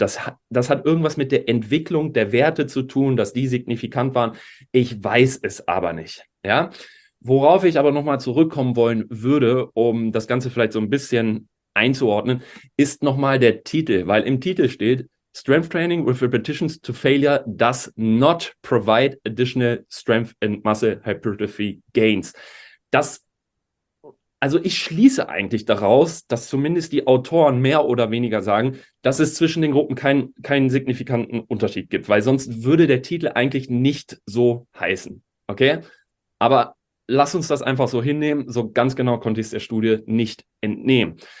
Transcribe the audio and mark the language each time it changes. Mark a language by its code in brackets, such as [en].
[de] Das hat irgendwas mit der Entwicklung der Werte zu tun, dass die signifikant waren. Ich weiß es aber nicht. Ja? Worauf ich aber nochmal zurückkommen wollen würde, um das Ganze vielleicht so ein bisschen einzuordnen, ist nochmal der Titel, weil im Titel steht [en] Strength training with repetitions to failure does not provide additional strength and muscle hypertrophy gains. [de] Das, also ich schließe eigentlich daraus, dass zumindest die Autoren mehr oder weniger sagen, dass es zwischen den Gruppen keinen signifikanten Unterschied gibt, weil sonst würde der Titel eigentlich nicht so heißen. Okay? Aber lass uns das einfach so hinnehmen, so ganz genau konnte ich es der Studie nicht entnehmen.